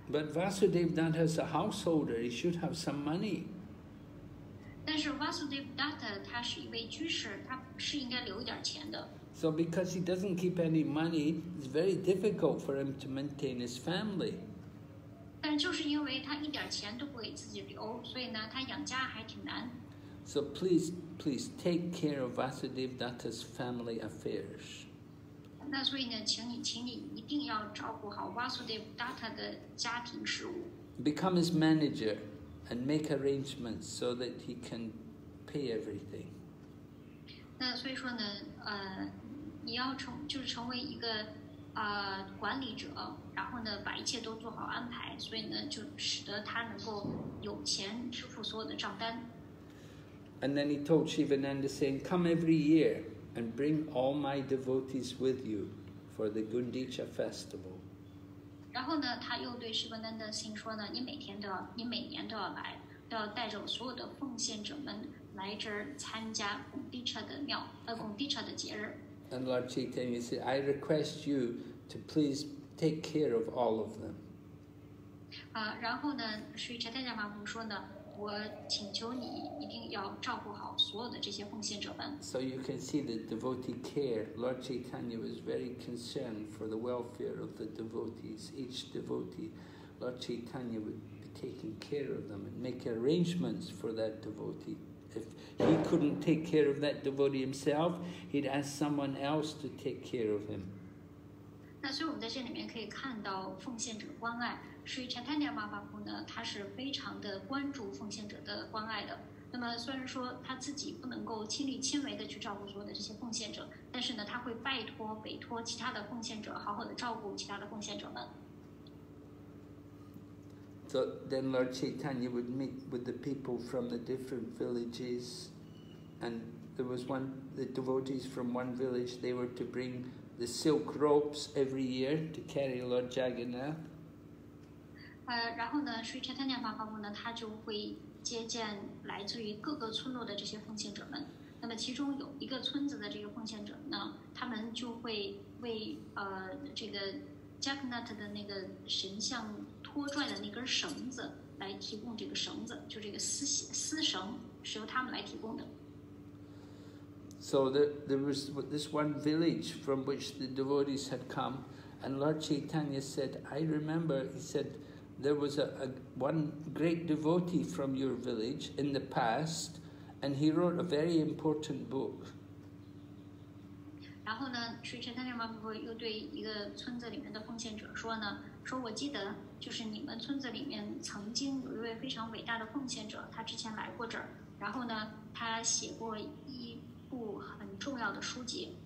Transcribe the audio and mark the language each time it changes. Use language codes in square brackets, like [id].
[en] But Vasudev Datta is a householder, he should have some money。 [zh] 但是 Vasudev Datta 他是一位居士，他是应该留一点钱的。 [en] So because he doesn't keep any money, it's very difficult for him to maintain his family. [zh] 但就是因为他一点钱都不给自己留，所以呢，他养家还挺难。 [en] So please, please take care of Vasudev Datta's family affairs. [zh] 那所以呢，请你一定要照顾好 Vasudev Datta 的家庭事务。 [en] Become his manager. And make arrangements so that he can pay everything. [zh] 那所以说呢，你要就是成为一个管理者，然后呢把一切都做好安排，所以呢就使得他能够有钱支付所有的账单。 [en] And then he told Shivananda saying, "Come every year and bring all my devotees with you for the Gundicha festival." [zh] 然后呢，他又对释迦丹的心说呢：“你每年都要来，都要带着所有的奉献者们来这儿参加贡地彻的庙，贡地彻的节日。” [en] And Lord Chaitanya said, "I request you to please take care of all of them." [zh] 然后呢，释迦丹娘妈妈说呢：“我请求你一定要照顾好所有的这些奉献者们。” [en] So you can see the devotee care. Lord Chaitanya was very concerned for the welfare of the devotees. Each devotee, Lord Chaitanya would be taking care of them and make arrangements for that devotee. If he couldn't take care of that devotee himself, he'd ask someone else to take care of him. [zh] 那所以我们在这里面可以看到奉献者关爱。所以 Chaitanya Mahaprabhu 呢，他是非常的关注奉献者的关爱的。那么虽然说他自己不能够亲力亲为的去照顾所有的这些奉献者，但是呢，他会委托其他的奉献者好好的照顾其他的奉献者们。 [en] So then Lord Chaitanya would meet with the people from the different villages, and there was one, the devotees from one village, they were to bring the silk ropes every year to carry Lord Jagannath. [zh] 然后呢，所以查坦尼亚巴巴布呢，他就会接见来自于各个村落的这些奉献者们。那么其中有一个村子的这个奉献者呢，他们就会为这个 Jagannath 的那个神像拖拽的那根绳子来提供这个绳子，就这个丝绳是由他们来提供的。 [en] So there was this one village from which the devotees had come, and Lord Chaitanya said, "I remember," he said. There was one great devotee from your village in the past, and he wrote a very important book. [zh] 然后呢，水车丹娘妈妈又对一个村子里面的奉献者说呢，说我记得就是你们村子里面曾经有一位非常伟大的奉献者，他之前来过这儿，然后呢，他写过一部很重要的书籍。